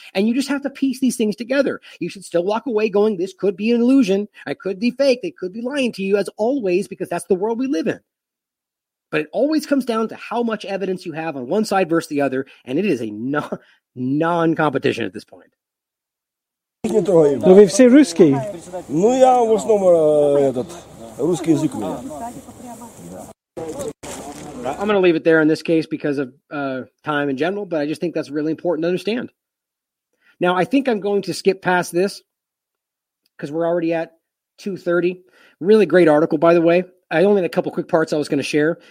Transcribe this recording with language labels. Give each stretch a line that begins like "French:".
English: And you just have to piece these things together. You should still walk away going, this could be an illusion. It could be fake. They could be lying to you, as always, because that's the world we live in. But it always comes down to how much evidence you have on one side versus the other. And it is a non-competition at this point.
Ukrainian: Ну ви всі русські?
Russian: Ну я в основному этот русский язык у меня.
English: I'm going to leave it there in this case because of time in general, but I just think that's really important to understand. Now, I think I'm going to skip past this because we're already at 2:30. Really great article, by the way. I only had a couple quick parts I was going to share.